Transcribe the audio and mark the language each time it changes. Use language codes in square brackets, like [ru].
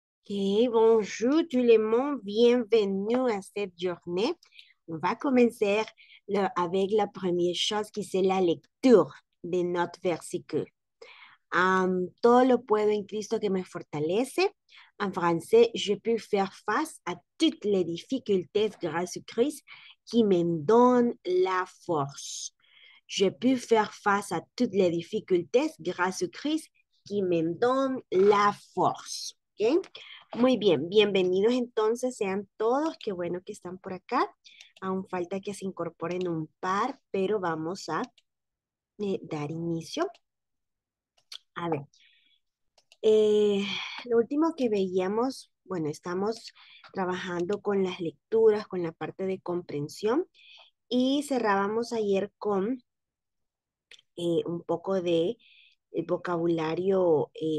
[fr] Okay, bonjour tout le monde, bienvenue a cette journée. On va commencer avec la première chose qui c'est la lecture de notre versículo. [es] Todo lo puedo en Cristo que me fortalece. En francés, [fr] je peux faire face a toutes les difficultés grâce à Christ qui me donne la force. Je peux faire face a toutes les difficultés grâce à Christ qui me donne la force. Okay. [es] Muy bien, bienvenidos entonces sean todos, qué bueno que están por acá. Aún falta que se incorporen un par, pero vamos a dar inicio. A ver, lo último que veíamos, bueno, estamos trabajando con las lecturas, con la parte de comprensión y cerrábamos ayer con un poco de el vocabulario.